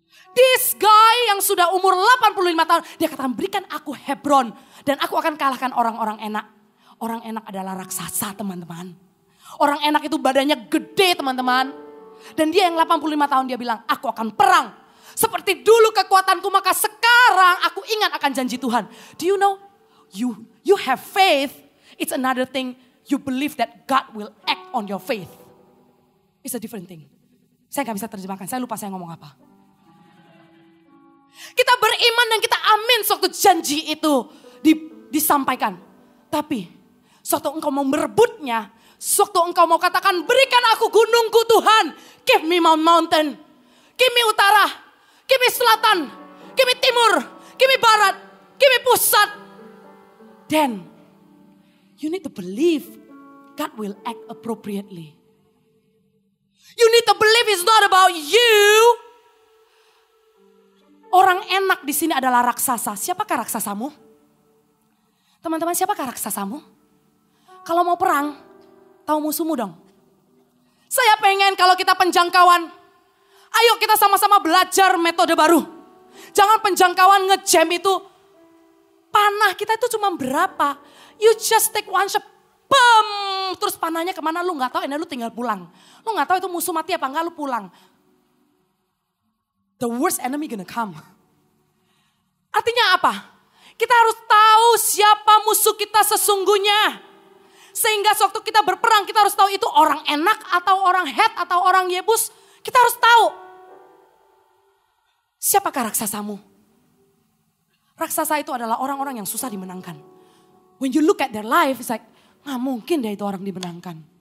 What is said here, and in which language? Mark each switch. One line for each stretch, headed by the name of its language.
Indonesian: This guy yang sudah umur 85 tahun, dia katakan, berikan aku Hebron dan aku akan kalahkan orang-orang enak. Orang enak adalah raksasa, teman-teman. Orang enak itu badannya gede, teman-teman. Dan dia yang 85 tahun, dia bilang, aku akan perang. Seperti dulu kekuatanku, maka sekarang aku ingat akan janji Tuhan.
English: Do you know, you have faith. It's another thing, you believe that God will act on your faith.
Indonesian: It's a different thing. Saya gak bisa terjemahkan, saya lupa saya ngomong apa. Kita beriman dan kita amin sewaktu janji itu disampaikan. Tapi, sewaktu engkau mau merebutnya, sewaktu engkau mau katakan, berikan aku gunungku Tuhan.
English: Give me mountain. Give me utara. Give me selatan. Give me timur. Give me barat. Give me pusat. Then, you need to believe God will act appropriately. You need to believe it's not about you.
Indonesian: Orang enak di sini adalah raksasa. Siapakah raksasamu? Teman-teman, siapakah raksasamu? Kalau mau perang, tahu musuhmu dong. Saya pengen kalau kita penjangkauan, ayo kita sama-sama belajar metode baru. Jangan penjangkauan ngejam itu. Panah kita itu cuma berapa? You just take one shot. Bam! Terus panahnya kemana? Lu gak tahu, ini lu tinggal pulang. Lu gak tahu itu musuh mati apa enggak, lu pulang.
English: The worst enemy gonna come. Artinya apa?
Indonesian: Kita harus tahu siapa musuh kita sesungguhnya. Sehingga sewaktu kita berperang, kita harus tahu itu orang enak atau orang het atau orang Yebus. Kita harus tahu. Siapakah raksasamu? Raksasa itu adalah orang-orang yang susah dimenangkan.
English: When you look at their life, it's like, nggak mungkin deh itu orang dimenangkan.